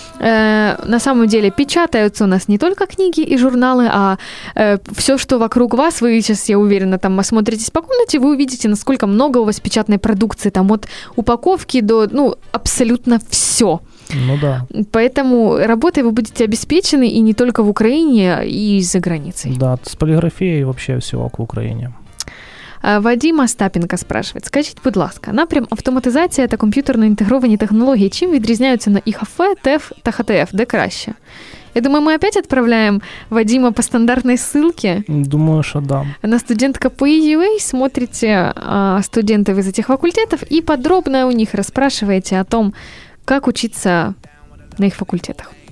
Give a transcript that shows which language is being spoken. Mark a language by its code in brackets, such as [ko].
[ru] На самом деле печатаются у нас не только книги и журналы, а все, что вокруг вас, вы сейчас, я уверена, осмотритесь по комнате, вы увидите, насколько много у вас печатной продукции, от упаковки до, абсолютно все. Ну да. Поэтому работой вы будете обеспечены и не только в Украине, и за границей. Да, с полиграфией вообще всего к Украине. Вадим Остапенко спрашивает. [uk] Скажите, будь ласка, напрям автоматизація та комп'ютерно-інтегровані технології чим відрізняються на ІХФ, ТЕФ та ХТФ? Де краще? [ru] Я думаю, мы опять отправляем Вадима по стандартной ссылке. Думаю, что да. На студентка по EUA смотрите студентов из этих факультетов и подробно у них расспрашиваете о том, как учиться на их факультетах.